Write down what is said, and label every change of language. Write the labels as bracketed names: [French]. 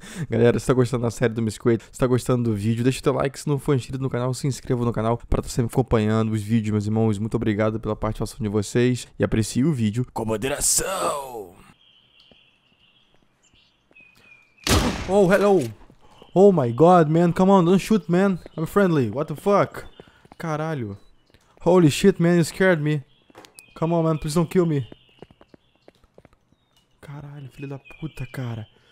[Portuguese] Galera, se tá gostando da série do Miss Quaid, se tá gostando do vídeo, deixa o teu like. Se não for inscrito no canal, se inscreva no canal pra estar sempre acompanhando os vídeos, meus irmãos. Muito obrigado pela participação de vocês e aprecie o vídeo com moderação. [English] Oh, hello! Oh my god, man, come on, don't shoot, man. I'm friendly, what the fuck? [Portuguese] Caralho. [English] Holy shit, man, you scared me. Come on, man, please don't kill me. [Portuguese] Caralho, filho da puta, cara.